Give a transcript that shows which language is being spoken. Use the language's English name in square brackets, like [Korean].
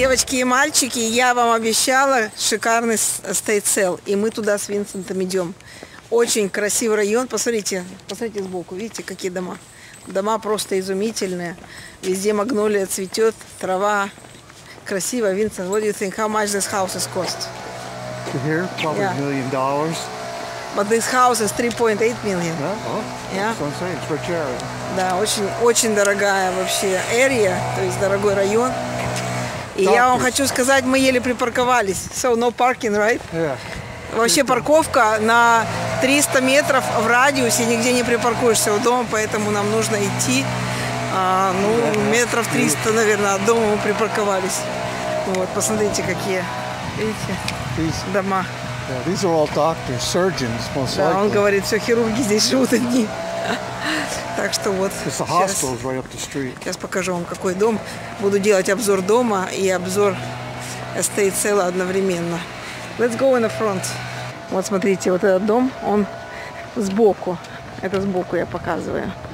[Russian] Мальчики, я вам обещала шикарный стейцел, и мы туда с Винсентом идем. Очень красивый район, посмотрите, посмотрите сбоку, видите, какие дома. Дома просто изумительные, везде магнолия цветет, трава красивая. [English] Винсент, what do you think, how much this house is cost? Here, probably $1 million. But this house is 3.8 million. Yeah, well, that's what I'm saying, it's for charity. [Russian] Да, очень, очень дорогая вообще area, то есть дорогой район. И я вам хочу сказать, мы еле припарковались. [English] So, no parking, right? Yeah. [Russian] Вообще парковка на 300 метров в радиусе, нигде не припаркуешься у дома, поэтому нам нужно идти. Ну, метров 300, наверное, от дома мы припарковались. Вот, посмотрите, какие, видите, дома. [English] Yeah, these are all doctors, surgeons, most likely. [Russian] Да, он говорит, все, хирурги здесь живут одни. Так что вот, сейчас покажу вам, какой дом. Буду делать обзор дома и обзор estate sale одновременно. [English] Let's go in the front. [Russian] Вот смотрите, вот этот дом, он сбоку. Это сбоку я показываю.